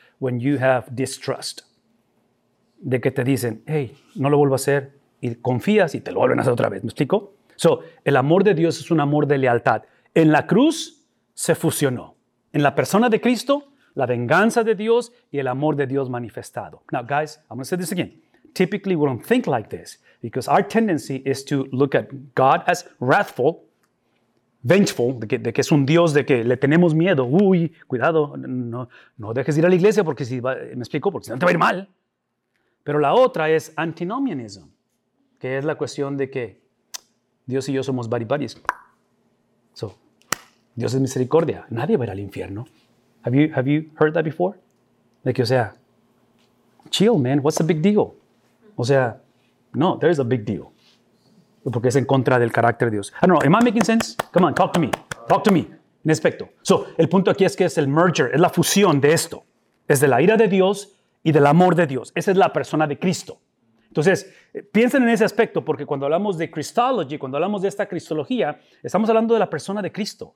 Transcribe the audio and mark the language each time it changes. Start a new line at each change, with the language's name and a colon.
English: when you have distrust.
Spanish: De que te dicen, hey, no lo vuelvo a hacer. Y confías y te lo vuelven a hacer otra vez. ¿Me explico? So, el amor de Dios es un amor de lealtad. En la cruz se fusionó. En la persona de Cristo, la venganza de Dios y el amor de Dios manifestado.
English: Now, guys, I'm going to say this again. Typically, we don't think like this because our tendency is to look at God as wrathful, vengeful,
Spanish: de que es un Dios de que le tenemos miedo. Uy, cuidado, no dejes de ir a la iglesia porque si va, me explico, porque si no te va a ir mal. Pero la otra es antinomianism, que es la cuestión de que Dios y yo somos buddy buddies. So, Dios es misericordia. Nadie va a ir al infierno.
English: Have you heard that before?
Spanish: De que, o sea,
English: chill, man. What's the big deal?
Spanish: O sea, no,
English: there is a big deal.
Spanish: Porque es en contra del carácter de Dios.
English: I don't know, am I making sense? Come on, talk to me. Talk to me.
Spanish: En aspecto. So, el punto aquí es que es el merger, es la fusión de esto. Es de la ira de Dios y del amor de Dios. Esa es la persona de Cristo. Entonces, piensen en ese aspecto, porque cuando hablamos de Christology, cuando hablamos de esta cristología, estamos hablando de la persona de Cristo.